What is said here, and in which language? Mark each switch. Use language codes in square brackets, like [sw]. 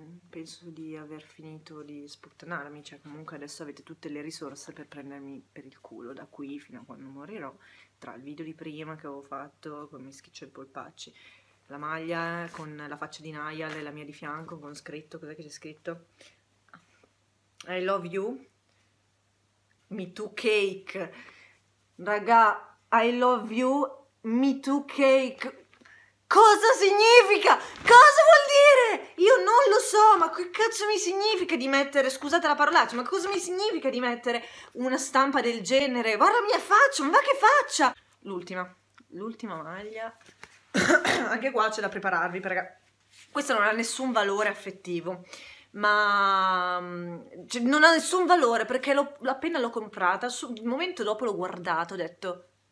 [it] Penso di aver finito di sputtanarmi, cioè comunque adesso avete tutte le risorse per prendermi per il culo da qui fino a quando morirò, tra il video di prima che avevo fatto con mi schiccio i polpacci, la maglia con la faccia di Niall e la mia di fianco con scritto, cos'è che c'è scritto? [en] I love you, me too cake, raga, I love you, me too cake. [it] Cosa significa? Cosa vuol dire? Io non lo so, ma che cazzo mi significa di mettere, scusate la parolaccia, ma cosa mi significa di mettere una stampa del genere? Guarda la mia faccia, ma va che faccia! L'ultima maglia. Anche qua c'è da prepararvi, perché questa non ha nessun valore affettivo, ma cioè, non ha nessun valore perché appena l'ho comprata, il momento dopo l'ho guardato, ho detto.